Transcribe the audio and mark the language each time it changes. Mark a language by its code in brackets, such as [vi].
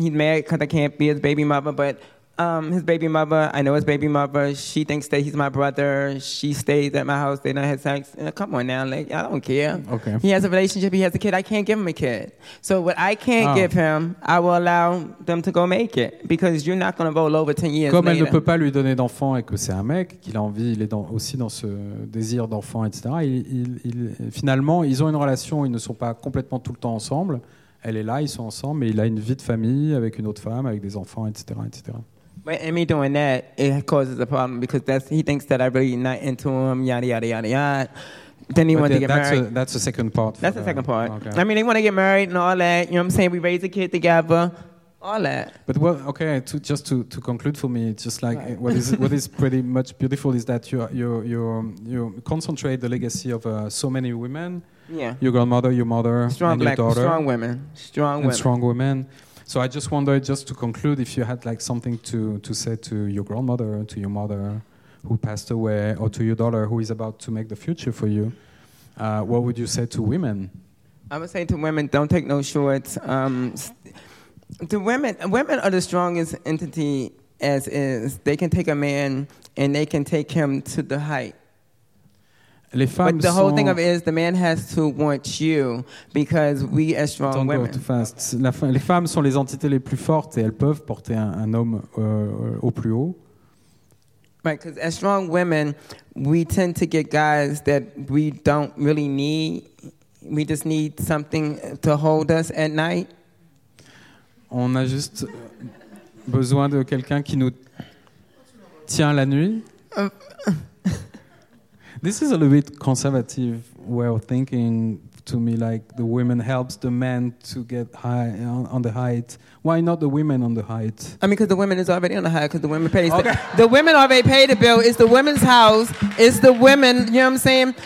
[en] He's mad because I can't be his baby mother, but... his baby mother, I know his baby mother. She thinks that he's my brother. She stays at my house. They don't have sex. Come on now, like, I don't care. Okay. He has a relationship. He has a kid. I can't give him a kid. So what I can't give him, I will allow them to go make it. Because you're not going to roll over 10 years [fr] Comme [en] later. [fr] Elle ne peut pas lui donner d'enfant et que c'est un mec, qu'il a envie, il est dans, aussi dans ce désir d'enfant, etc. Finalement, ils ont une relation. Ils ne sont pas complètement tout le temps ensemble. Elle est là, ils sont ensemble. Mais il a une vie de famille avec une autre femme, avec des enfants, etc., etc. [en] But in me doing that, it causes a problem because he thinks that I'm really not into him, yada, yada, yada, yada. Then he wants to get married. That's the second part. That's the second part. Okay. I mean, they want to get married and all that. You know what I'm saying? We raise a kid together. All that. But to conclude for me, just like right. what is pretty much beautiful is that you concentrate the legacy of so many women. Yeah. Your grandmother, your mother, strong and black, your daughter. Strong women. Strong women. And strong women. So I just wonder, just to conclude, if you had like something to say to your grandmother, to your mother who passed away, or to your daughter who is about to make the future for you, what would you say to women? I would say to women, don't take no shorts. To women are the strongest entity as is. They can take a man and they can take him to the height. [fr] Les femmes [en] but the whole thing of it is the man has to want you because we as strong don't women. Go too fast. [fr] Les femmes sont les entités les plus fortes et elles peuvent porter un homme au plus haut. [en] Right, because as strong women, we tend to get guys that we don't really need. We just need something to hold us at night. [fr] On a juste besoin de quelqu'un qui nous tient la nuit. [en] This is a little bit conservative way of thinking to me, like the women helps the men to get high on the height. Why not the women on the height? I mean, because the women is already on the height, because the women pay. Okay. The women already pay the bill. It's the women's house. It's the women, you know what I'm saying?